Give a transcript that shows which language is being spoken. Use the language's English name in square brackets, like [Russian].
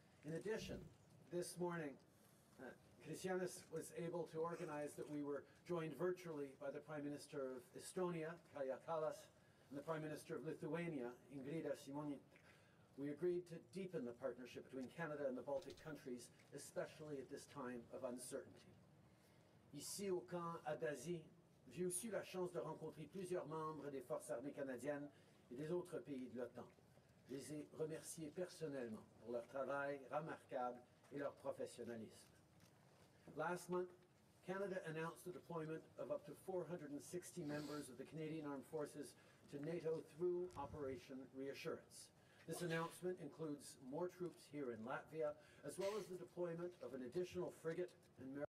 [English] In addition, this morning, Christianis was able to organize that we were joined virtually by the Prime Minister of Estonia, Kaja Kallas, and the Prime Minister of Lithuania, Ingrida Šimonytė. We agreed to deepen the partnership between Canada and the Baltic countries, especially at this time of uncertainty. [French] Ici au camp à Bazi, j'ai aussi la chance de rencontrer plusieurs membres des forces armées canadiennes et des autres pays de l'OTAN. Je les ai remerciés personnellement pour leur travail remarquable et leur professionnalisme. [English] Last month, Canada announced the deployment of up to 460 members of the Canadian Armed Forces to NATO through Operation Reassurance. This announcement includes more troops here in Latvia, as well as the deployment of an additional frigate and